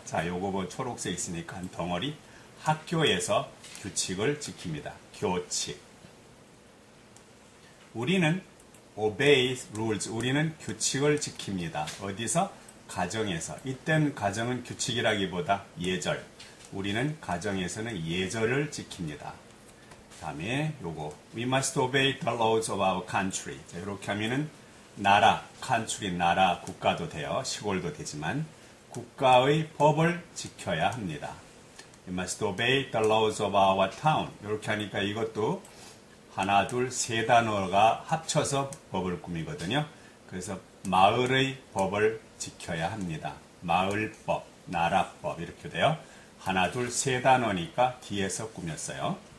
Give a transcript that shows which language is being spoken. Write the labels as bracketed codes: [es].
[ko] 자, 요거 뭐 초록색 있으니까 한 덩어리. 학교에서 규칙을 지킵니다. 교칙. 우리는 [en] obey rules, [ko] 우리는 규칙을 지킵니다. 어디서? 가정에서. 이땐 가정은 규칙이라기보다 예절. 우리는 가정에서는 예절을 지킵니다. 다음에 요거 [en] We must obey the laws of our country. [ko] 자, 이렇게 하면은 나라, country, 나라, 국가도 돼요. 시골도 되지만 국가의 법을 지켜야 합니다. [en] We must obey the laws of our town. [ko] 이렇게 하니까 이것도 하나, 둘, 세 단어가 합쳐서 법을 꾸미거든요. 그래서 마을의 법을 지켜야 합니다. 마을법, 나라법 이렇게 돼요. 하나, 둘, 세 단어니까 뒤에서 꾸몄어요.